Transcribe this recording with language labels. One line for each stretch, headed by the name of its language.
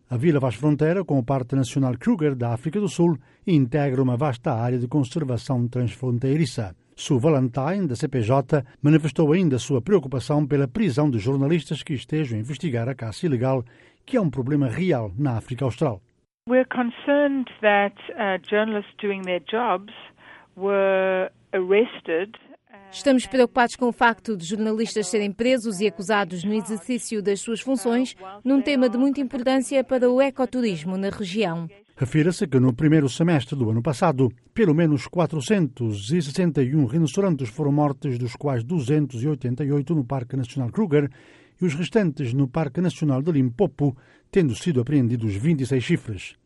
Portuguese: A vila faz fronteira com o Parque Nacional Kruger da África do Sul e integra uma vasta área de conservação transfronteiriça. Sue Valentine, da CPJ, manifestou ainda sua preocupação pela prisão de jornalistas que estejam a investigar a caça ilegal, que é um problema real na África Austral.
English: We're concerned that journalists doing their jobs were arrested.
Portuguese: Estamos preocupados com o facto de jornalistas serem presos e acusados no exercício das suas funções num tema de muita importância para o ecoturismo na região. Refira-se que no primeiro semestre do ano passado, pelo menos 461 rinocerontes foram mortos, dos quais 288 no Parque Nacional Kruger e os restantes no Parque Nacional de Limpopo, tendo sido apreendidos 26 chifres.